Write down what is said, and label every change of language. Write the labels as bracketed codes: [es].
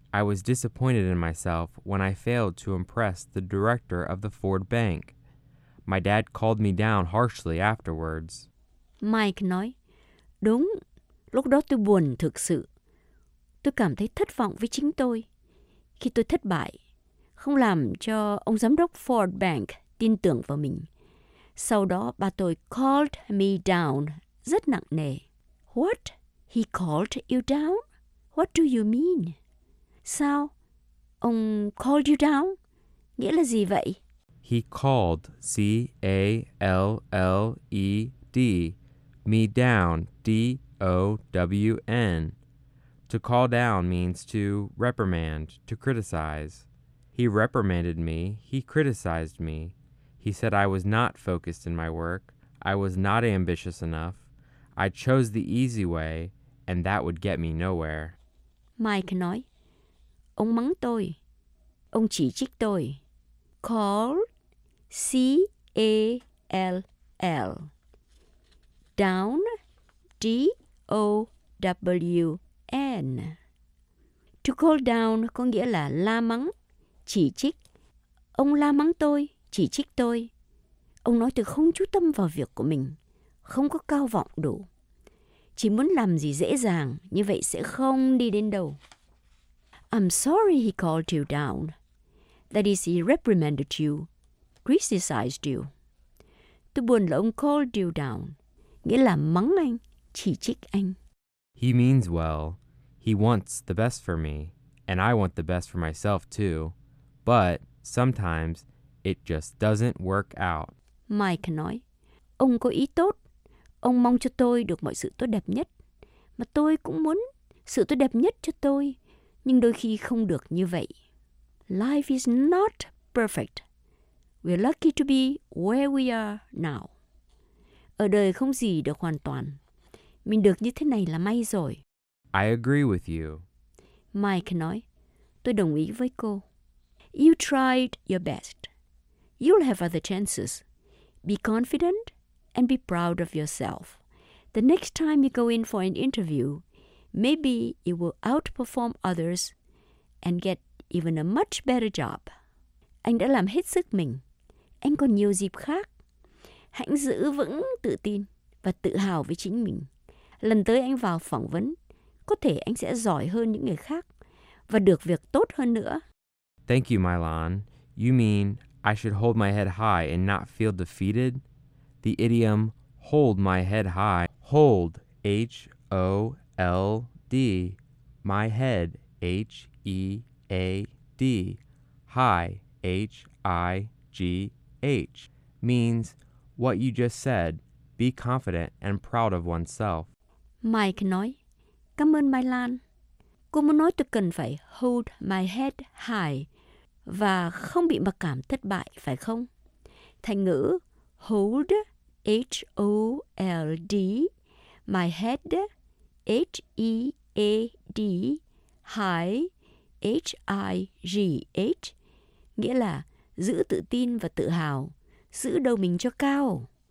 [en] I was disappointed in myself when I failed to impress the director of the Ford Bank. My dad called me down harshly afterwards. [vi] Mike nói, Đúng, lúc đó tôi buồn thực sự. Tôi cảm thấy thất vọng với chính tôi. Khi tôi thất bại, không làm cho ông giám đốc Ford Bank tin tưởng vào mình. Sau đó, ba tôi [en] called me down [vi] rất nặng nề. [en] What? He called you down? What do you mean? [vi] Sao? Ông [en] called you down? [vi] Nghĩa là gì vậy? [en] He called, C-A-L-L-E-D, me down, D-O-W-N. To call down means to reprimand, to criticize. He reprimanded me, he criticized me. He said I was not focused in my work, I was not ambitious enough, I chose the easy way, and that would get me nowhere. [vi] Mike nói, Ông mắng tôi, ông chỉ trích tôi. [en] Call, C-A-L-L. Down, D-O-W-N. To call down [vi] có nghĩa là la mắng, chỉ trích. Ông la mắng tôi, chỉ trích tôi. Ông nói tôi không chú tâm vào việc của mình, không có cao vọng đủ. Chỉ muốn làm gì dễ dàng, như vậy sẽ không đi đến đâu. [en] I'm sorry he called you down. That is, he reprimanded you, criticized you. [vi] Tôi buồn là ông [en] called you down, [vi] nghĩa là mắng anh, chỉ trích anh. [en] He means well. He wants the best for me, and I want the best for myself too. But sometimes it just doesn't work out. [vi] Mike nói, ông có ý tốt. Ông mong cho tôi được mọi sự tốt đẹp nhất. Mà tôi cũng muốn sự tốt đẹp nhất cho tôi. Nhưng đôi khi không được như vậy. [en] Life is not perfect. We're lucky to be where we are now. [vi] Ở đời không gì được hoàn toàn. Mình được như thế này là may rồi. [en] I agree with you. [vi] Mike nói, tôi đồng ý với cô. [en] You tried your best. You'll have other chances. Be confident and be proud of yourself. The next time you go in for an interview, maybe you will outperform others and get even a much better job. [vi] Anh đã làm hết sức mình. Anh còn nhiều dịp khác. Hãy giữ vững tự tin và tự hào với chính mình. Lần tới anh vào phỏng vấn, có thể anh sẽ giỏi hơn những người khác và được việc tốt hơn nữa. [en] Thank you, Mylon. You mean I should hold my head high and not feel defeated? The idiom, hold my head high, hold, H-O-L-D, my head, H-E-A-D, high, H-I-G-H, means what you just said, be confident and proud of oneself. [vi] Mike nói, cảm ơn Mai Lan. Cô muốn nói tôi cần phải [en] hold my head high [vi] và không bị mặc cảm thất bại, phải không? thành ngữ [en] hold, H-O-L-D, my head, H-E-A-D, high, H-I-G-H, [vi] nghĩa là giữ tự tin và tự hào, giữ đầu mình cho cao.